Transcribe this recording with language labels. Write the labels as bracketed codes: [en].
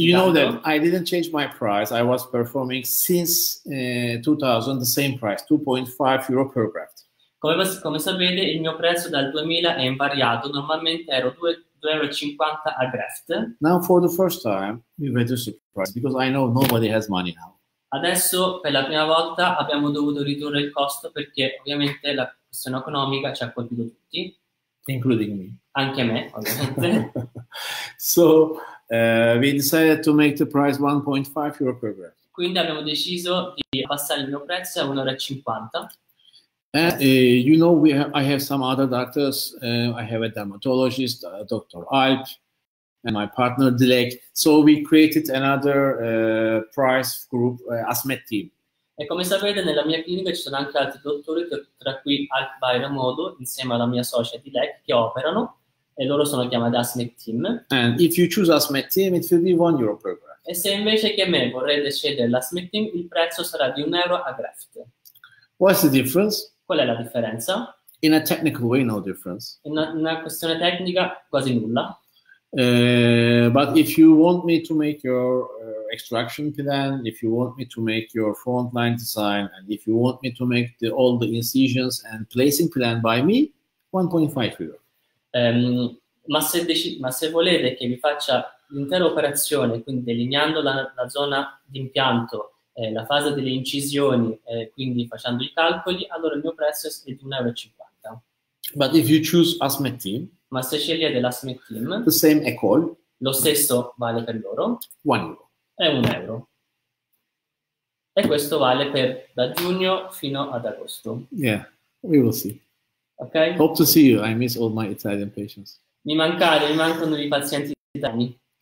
[en] You know that I didn't change my price. I was performing since 2000 the same price, 2.5 euro per graft. [it] Come sapete, il mio prezzo dal 2000 è invariato. Normalmente ero 2,50 euro a graft. [en] Now for the first time, we reduced the price because I know nobody has money now. [it] Adesso per la prima volta abbiamo dovuto ridurre il costo perché ovviamente la questione economica ci ha colpito tutti. [en] Including me. [it] Anche me, ovviamente. [en] So, we decided to make the price 1.5 euro per graft. [it] Quindi abbiamo deciso di abbassare il mio prezzo a 1,50 euro. [en] You know, I have some other doctors. I have a dermatologist, Dr. Alp, and my partner Dilek. So we created another price group, ASMED team. [it] E come sapete, nella mia clinica ci sono anche altri dottori, tra cui Alp Bayramoglu, insieme alla mia socia Dilek, che operano, e loro sono chiamati ASMED team. [en] And if you choose ASMED team, it will be 1 euro per graft. [it] E se invece che me vorrete scegliere l'ASMED team, il prezzo sarà di 1 euro a graft. [en] What's the difference? [it] Qual è la differenza? [en] In a technical way, no difference. [it] In una questione tecnica, quasi nulla. [en] But if you want me to make your extraction plan, if you want me to make your frontline design, and if you want me to make all the incisions and placing plan by me, 1.5 euro. [it] Ma se volete che vi faccia l'intera operazione, quindi delineando la zona d'impianto, la fase delle incisioni, quindi facendo i calcoli, allora il mio prezzo è di 1,50 euro. [en] But if you choose ASMED team, [it] ma se scegliete l'ASMED team, [en] the same ECOL, [it] lo stesso vale per loro, [en] 1 euro. [it] È 1 euro. E questo vale per da giugno fino ad agosto. [en] Yeah, we will see. Okay. Hope to see you. I miss all my Italian patients. [it] Mi mancano i pazienti italiani.